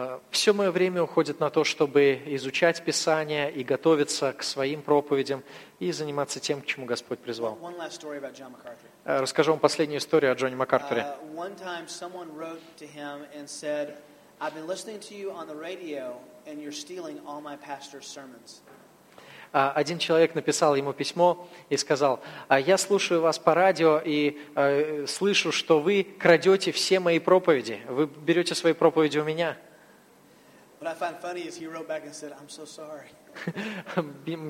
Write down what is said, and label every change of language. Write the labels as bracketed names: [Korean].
[Russian] Все мое время уходит на то, чтобы изучать Писание и готовиться к своим проповедям и заниматься тем, к чему Господь призвал. Расскажу вам последнюю историю о Джоне МакАртуре. [English] One time someone wrote to him and said, I've been listening to you on the radio and you're stealing all my pastor's sermons. [Russian] Один человек написал ему письмо и сказал, я слушаю вас по радио и слышу, что вы крадете все мои проповеди. Вы берете свои проповеди у меня. [English] What I find funny is he wrote back and said, I'm so sorry.